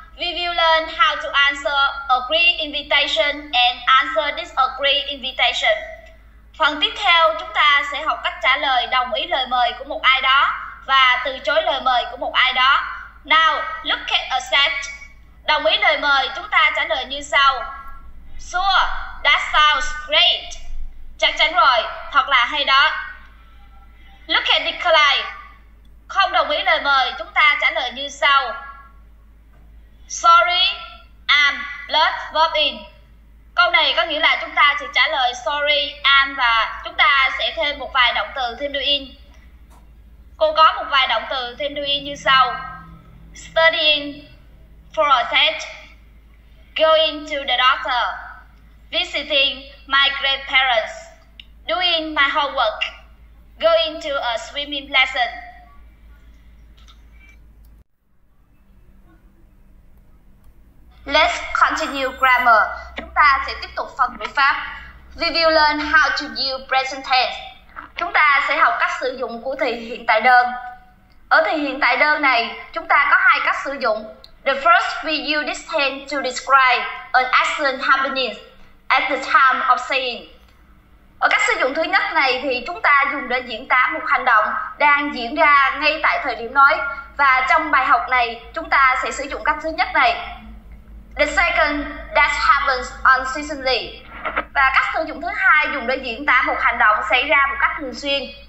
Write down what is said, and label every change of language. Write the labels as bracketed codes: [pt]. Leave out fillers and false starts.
[en] We will learn how to answer agree invitation and answer disagree invitation. [vi] Phần tiếp theo, chúng ta sẽ học cách trả lời đồng ý lời mời của một ai đó và từ chối lời mời của một ai đó. [en] Now, look at accept. [vi] Đồng ý lời mời, chúng ta trả lời như sau. [en] Sure, that sounds great. [vi] Chắc chắn rồi, thật là hay đó. [en] Look at decline. [vi] Không đồng ý lời mời, chúng ta trả lời như sau. [en] Sorry, I'm blood verb in. [vi] Câu này có nghĩa là chúng ta chỉ trả lời [en] sorry, I'm [vi] và chúng ta sẽ thêm một vài động từ thêm đuôi in. Cô có một vài động từ thêm đuôi in như sau. [en] Studying for a test. Going to the doctor. Visiting my grandparents. Doing my homework. Going to a swimming lesson. Let's continue grammar. [vi] Chúng ta sẽ tiếp tục phần ngữ pháp. [en] We will learn how to use present tense. [vi] Chúng ta sẽ học cách sử dụng của thì hiện tại đơn. Ở thì hiện tại đơn này, chúng ta có hai cách sử dụng. [en] The first, we use this tense to describe an action happening at the time of saying. [vi] Ở cách sử dụng thứ nhất này thì chúng ta dùng để diễn tả một hành động đang diễn ra ngay tại thời điểm nói. Và trong bài học này, chúng ta sẽ sử dụng cách thứ nhất này. [en] The second, that happens unceasingly. [vi] Và cách sử dụng thứ hai dùng để diễn tả một hành động xảy ra một cách thường xuyên.